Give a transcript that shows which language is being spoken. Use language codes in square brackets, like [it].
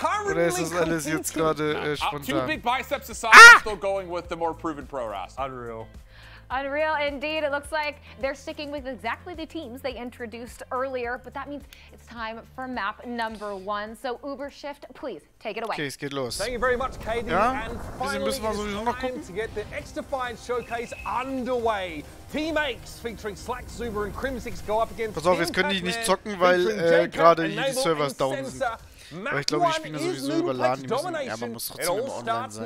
[de] Oder ist das alles jetzt gerade spontan? [en] Two big biceps aside, I'm still going with the more proven pro roster. Unreal. Unreal indeed. It looks like they're sticking with exactly the teams they introduced earlier, but that means it's time for map number one. So Uber Shift, please take it away. [de] Okay, es geht los. [en] Thank you very much, KD. Ja? And finally, it's time to get the XDefiant showcase underway. Team Aix featuring Slack, Zuma and Krim 6 go up against [de] Pass auf, jetzt können die nicht zocken, weil gerade hier die Servers down sind. Aber ich glaube, die spielen sowieso überladen. Die müssen, ja, man muss trotzdem immer online sein.